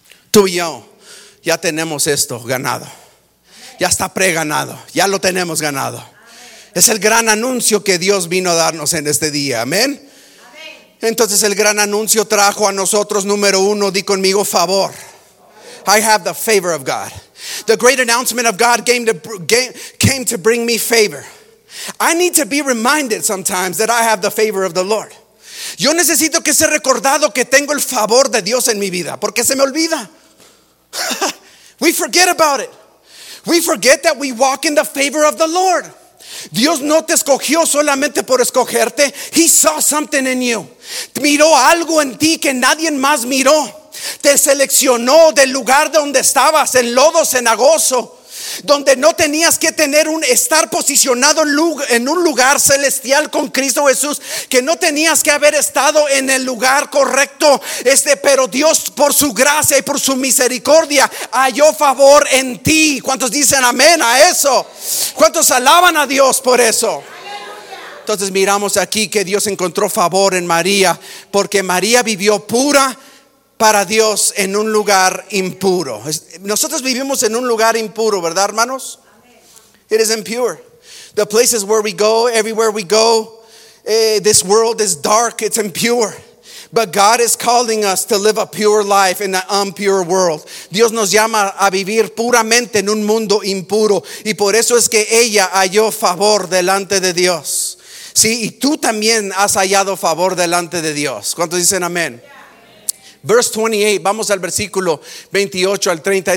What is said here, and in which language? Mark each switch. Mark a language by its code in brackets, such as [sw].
[es] Tú y yo ya tenemos esto ganado. Ya está preganado, ya lo tenemos ganado. Es el gran anuncio que Dios vino a darnos en este día, amén. Entonces el gran anuncio trajo a nosotros, número uno, di conmigo, favor. [en] I have the favor of God. The great announcement of God came to bring me favor. I need to be reminded sometimes that I have the favor of the Lord. [es] Yo necesito que sea recordado que tengo el favor de Dios en mi vida, porque se me olvida. [en] We forget about it. We forget that we walk in the favor of the Lord. [es] Dios no te escogió solamente por escogerte. [en] He saw something in you. [es] Miró algo en ti que nadie más miró. Te seleccionó del lugar donde estabas, en lodo cenagoso, donde no tenías que estar posicionado en un lugar celestial con Cristo Jesús, que no tenías que haber estado en el lugar correcto, pero Dios, por su gracia y por su misericordia, halló favor en ti. ¿Cuántos dicen amén a eso? ¿Cuántos alaban a Dios por eso? Entonces miramos aquí que Dios encontró favor en María, porque María vivió pura para Dios en un lugar impuro. Nosotros vivimos en un lugar impuro, ¿verdad, hermanos? [en] It is impure. The places where we go, everywhere we go, this world is dark, it's impure. But God is calling us to live a pure life in an impure world. [es] Dios nos llama a vivir puramente en un mundo impuro. Y por eso es que ella halló favor delante de Dios. Sí, y tú también has hallado favor delante de Dios. ¿Cuántos dicen amén? [en] Verse 28, [es] vamos al versículo 28 al 30.